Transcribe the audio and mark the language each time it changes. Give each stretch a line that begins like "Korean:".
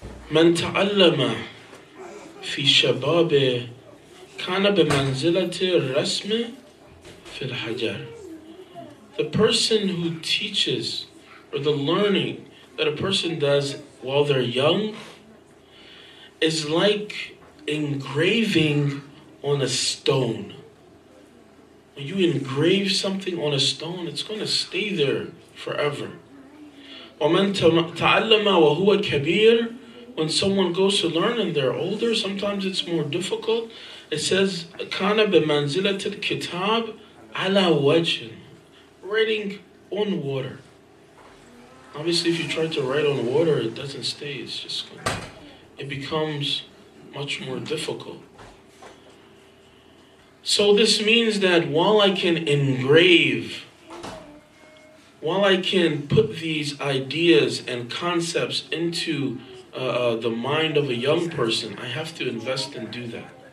Arabic: من تعلم في شباب كان بمنزلة الرسم في الحجر.
English: The person who teaches, or the learning that a person does while they're young, is like engraving on a stone. When you engrave something on a stone, it's going to stay there forever.
Arabic: وَمَن تَعَلَّمَ وَهُوَ كَبِيرٌ.
English: When someone goes to learn and they're older, sometimes it's more difficult. It says,
Arabic: كَانَ بِمَنْزِلَةِ الْكِتَابِ عَلَى وَجْهٍ.
English: Writing on water. Obviously, if you try to write on water, it doesn't stay. It's just going to, it becomes much more difficult. So this means that while I can engrave, while I can put these ideas and concepts into the mind of a young person, I have to invest and do that.